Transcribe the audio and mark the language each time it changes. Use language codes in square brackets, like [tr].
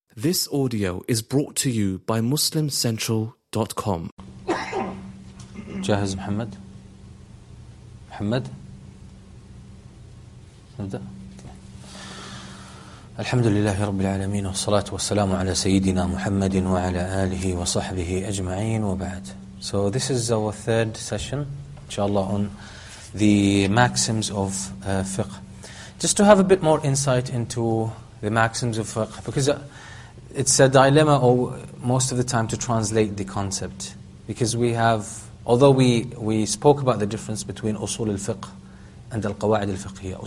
[en] This audio is brought to you by MuslimCentral.com. [ar] جاهز محمد؟ محمد؟ نبدأ؟ الحمد لله رب العالمين والصلاة والسلام على سيدنا محمد وعلى آله وصحبه أجمعين وبعد. [en] So this is our third session, inshallah, on the maxims of fiqh. Just to have a bit more insight into the maxims of fiqh, because it's a dilemma, or most of the time, to translate the concept, because we have, although we spoke about the difference between usul al-fiqh and al-qawa'id al-fiqhiyya.